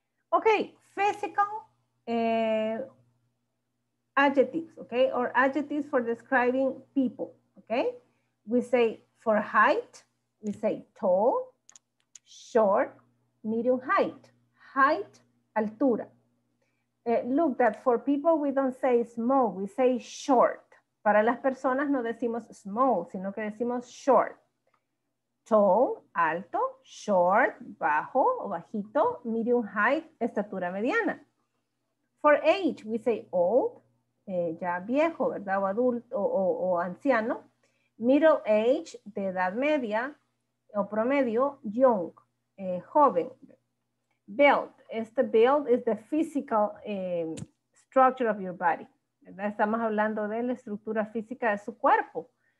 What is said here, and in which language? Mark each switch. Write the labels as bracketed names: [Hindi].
[English] Okay, physical, adjectives, okay, or adjectives for describing people, okay? We say for height, we say tall, short, medium height, height, altura. Look that for people, we don't say small, we say short. [Spanish] Para las personas no decimos small, sino que decimos short. Tall, alto, short, bajo o bajito, medium height, estatura mediana. [English] For age, we say old. [Spanish] Ya viejo, ¿verdad? O adulto o anciano. Middle age, de edad media o promedio, young, joven. [English] Build, este build is the physical structure of your body. [Spanish] ¿Verdad? Estamos hablando de la estructura física de su cuerpo.